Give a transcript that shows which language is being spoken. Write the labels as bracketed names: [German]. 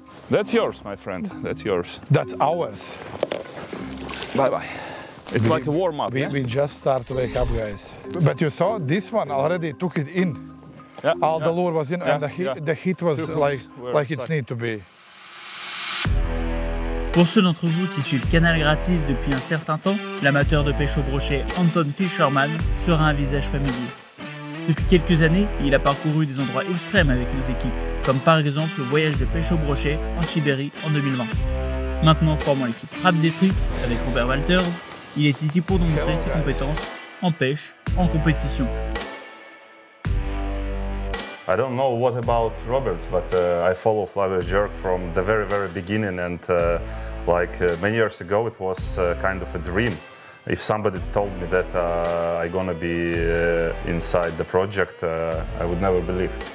[English] That's yours, my friend. That's yours. That's ours. Bye-bye. It's like a warm-up. We just start to wake up, guys. But you saw this one already took it in. Yeah. All the lure was in, and the heat was like it's need to be. [French] Pour ceux d'entre vous qui suivent Kanalgratis depuis un certain temps, l'amateur de pêche au brochet Anton Fischermann sera un visage familier. Depuis quelques années, il a parcouru des endroits extrêmes avec nos équipes, comme par exemple le voyage de pêche au brochet en Sibérie en 2020. Maintenant formant l'équipe Fraps et Trips avec Robert Walters, il est ici pour nous montrer ses compétences en pêche, en compétition. [English] I don't know what about Roberts, but I follow Flyvest Jerk from the very, very beginning. And many years ago, it was kind of a dream. If somebody told me that I'm going to be inside the project, I would never believe.